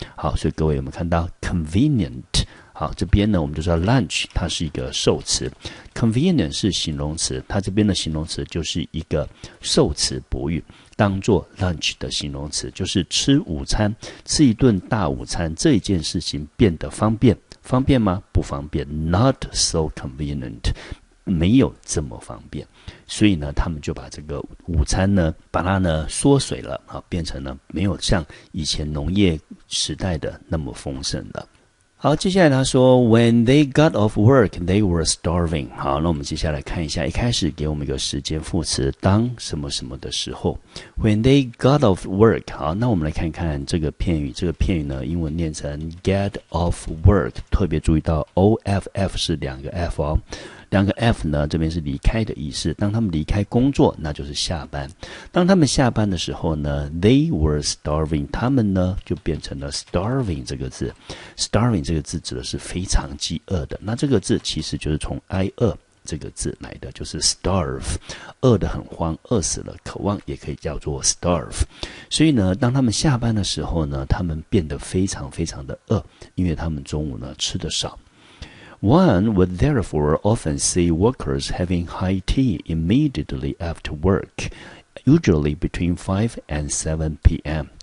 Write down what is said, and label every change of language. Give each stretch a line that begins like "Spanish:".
Chinese: 好，所以各位有没有看到 convenient？ 好，这边呢我们就说 lunch 它是一个受词， convenient 是形容词，它这边的形容词就是一个受词补语，当作 lunch 的形容词，就是吃午餐，吃一顿大午餐这一件事情变得方便，方便吗？不方便。
English: Not so convenient，
Chinese: 没有这么方便。所以呢，他们就把这个午餐呢，把它呢缩水了，变成呢没有像以前农业时代的那么丰盛了。好，接下来他说
English: When they got off work, they were starving.
Chinese: 好，那我们接下来看一下，一开始给我们一个时间副词，当什么什么的时候。
English: When they got off work,
Chinese: 好，那我们来看看这个片语。这个片语呢，英文念成
English: get off work,
Chinese: 特别注意到 OFF 是两个 F 哦。两个 F 呢，这边是离开的意思。当他们离开工作，那就是下班。当他们下班的时候呢 ，
English: they were starving，
Chinese: 他们呢就变成了 starving 这个字。 starving 这个字指的是非常饥饿的。那这个字其实就是从挨饿这个字来的，就是 starve， 饿得很慌，饿死了，渴望也可以叫做 starve。所以呢，当他们下班的时候呢，他们变得非常非常的饿，因为他们中午呢吃得少。
English: One would therefore often see workers having high tea immediately after work, usually between 5 and 7 p.m.